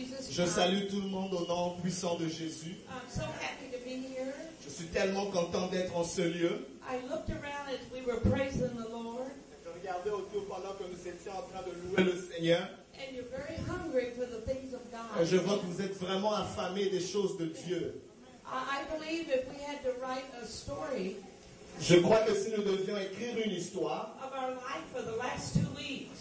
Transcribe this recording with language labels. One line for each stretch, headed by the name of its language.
French: Je salue tout le monde au nom puissant de Jésus.
English: I'm so happy to be here.
French: Je suis tellement content d'être en ce lieu.
English: I looked around as we were praising the Lord.
French: Je regardais autour pendant que nous étions en train de louer le Seigneur.
English: And you're very hungry for the things of God.
French: Et je vois que vous êtes vraiment affamé des choses de Dieu.
English: I believe if we had to write a story.
French: Je crois que si nous devions écrire une histoire
English: of our life for the last 2 weeks,